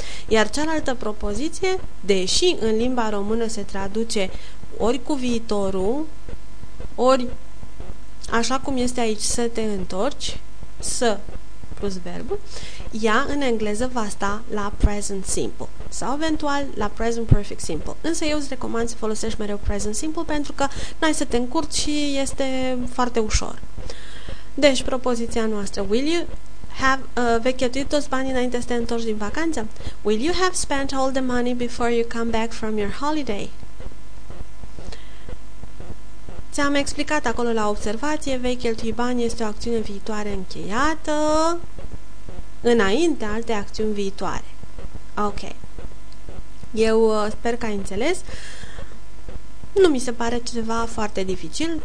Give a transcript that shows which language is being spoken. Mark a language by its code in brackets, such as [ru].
[ro] Iar cealaltă propoziție, deși în limba română se traduce ori cu viitorul, ori așa cum este aici să te întorci, să plus verbul, ea în engleză va sta la present simple sau eventual la present perfect simple. Însă eu îți recomand să folosești mereu present simple pentru că n-ai să te încurci și este foarte ușor. Deci, propoziția noastră, [en] will you have, [ro] vei cheltui toți banii înainte să te întorci din vacanță? [en] Will you have spent all the money before you come back from your holiday? [ro] Ți-am explicat acolo la observație, vei cheltui bani este o acțiune viitoare încheiată înainte alte acțiuni viitoare. Ok. Eu sper că ai înțeles. Nu mi se pare ceva foarte dificil.